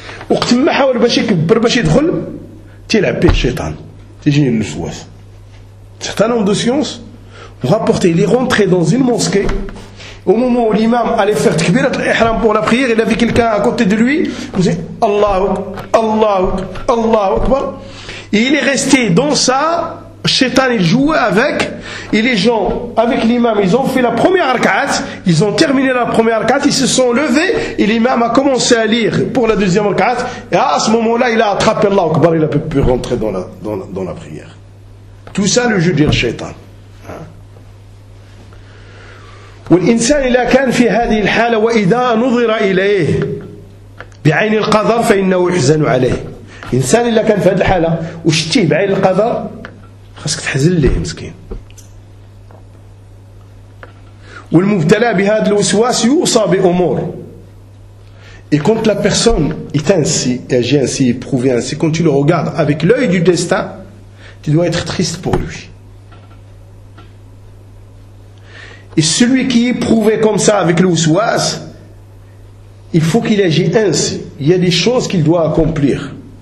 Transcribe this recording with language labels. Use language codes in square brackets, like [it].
[ar] وقت ما حاول باش يكبر باش يدخل تلعب به الشيطان تجيني الوسواس [fr] Certains hommes de science ont rapporté, il est rentré dans une mosquée, au moment où l'imam allait faire tkbirat l'ihram pour la prière, il avait quelqu'un à côté de lui, il disait Allahu Allahu Allahu Akbar. Et il est resté dans ça, Shaitan il jouait avec, et les gens, avec l'imam, ils ont fait la première arkaat, ils ont terminé la première arkaat, ils se sont levés, et l'imam a commencé à lire pour la deuxième arkaat, et à ce moment-là, il a attrapé Allahu Akbar, il a pu rentrer dans la prière. Tout ça le jeu du shaitan. [ar] والانسان اذا كان في هذه الحاله واذا نظر اليه بعين القدر فانه يحزن عليه انسان اذا كان في هذه الحاله وشتيه بعين القدر خاصك تحزن ليه مسكين والمبتلى بهذا الوسواس يوصى بامور [fr] Et quand la personne est ainsi, agit ainsi, éprouvé ainsi, quand tu le regardes avec l'œil du destin, tu dois être triste pour lui. Et celui qui est prouvé comme ça avec le ouswas, il faut qu'il agisse ainsi. Il y a des choses qu'il doit accomplir.